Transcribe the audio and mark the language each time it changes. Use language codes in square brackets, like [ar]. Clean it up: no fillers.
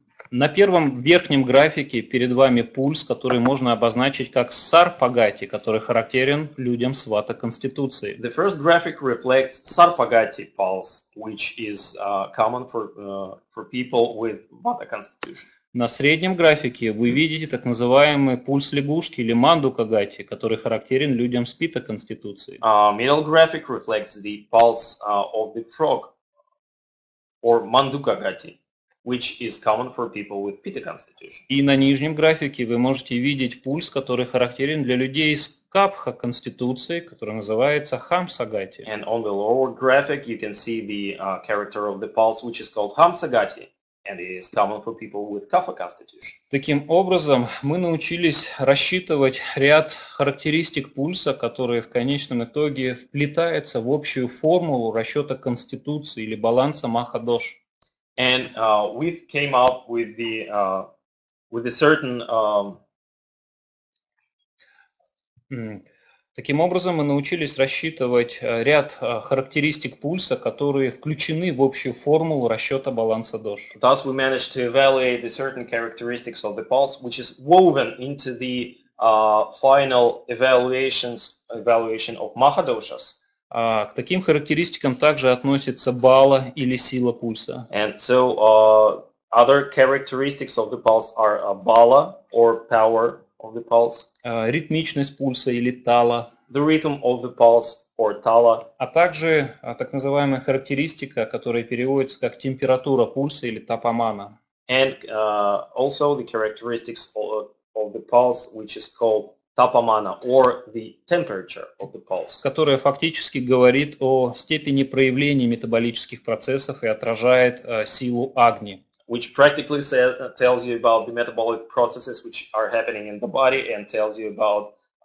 [ru] На первом верхнем графике перед вами пульс, который можно обозначить как сарпагати, который характерен людям с вата-конституцией. [en] The first graphic reflects sarpagati pulse, which is common for people with vata constitution. [ru] На среднем графике вы видите так называемый пульс лягушки или мандукагати, который характерен людям с питта-конституцией. [en] Middle graphic reflects the pulse of the frog, or mandukagati, which is common for people with pitta constitution. [ru] И на нижнем графике вы можете видеть пульс, который характерен для людей с капха конституцией, который называется хамсагати. [en] And on the lower graphic you can see the character of the pulse, which is called hamsagati, and it is common for people with kapha constitution. [ru] Таким образом, мы научились рассчитывать ряд характеристик пульса, которые в конечном итоге вплетаются в общую формулу расчета конституции или баланса маха-дош. [en] And we've came up with the with a certain [ru] Таким образом, мы научились рассчитывать ряд характеристик пульса, которые включены в общую формулу расчета баланса дош. [en] Thus, we managed to evaluate the certain characteristics of the pulse, which is woven into the final evaluation of mahadoshas. [ru] К таким характеристикам также относится бала или сила пульса. [en] And so, other characteristics of the pulse are bala or power of the pulse. [ru] Ритмичность пульса или тала. [en] The rhythm of the pulse or tala. [ru] А также так называемая характеристика, которая переводится как температура пульса или тапамана. [en] And also the characteristics of the pulse, which is called tapamana, or the temperature of the pulse. [ru] Которая фактически говорит о степени проявления метаболических процессов и отражает силу агни. [en] Which practically says, tells you about the metabolic processes which are happening in the body and tells you about